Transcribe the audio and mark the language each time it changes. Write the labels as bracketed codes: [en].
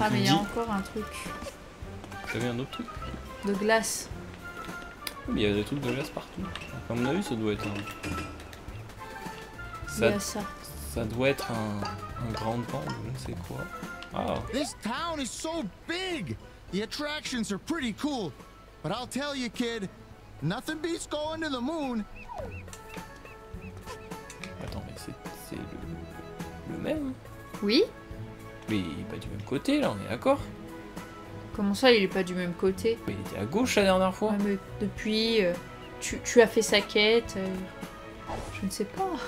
[fr] Ah, mais il y a encore un truc. T'avais un autre truc? De glace. Oui, mais il y a des trucs de glace partout. À mon avis, ça doit être un... Ça doit être un grand pan, je ne sais quoi. [en] Ah. This town is so big. The attractions are pretty cool, but I'll tell you, kid, nothing beats going to the moon. [fr] Attends, mais c'est le même? Oui. Mais il est pas du même côté, là, on est d'accord? Comment ça, il est pas du même côté? Mais il était à gauche la dernière fois. Ouais, mais depuis, tu as fait sa quête, je ne sais pas.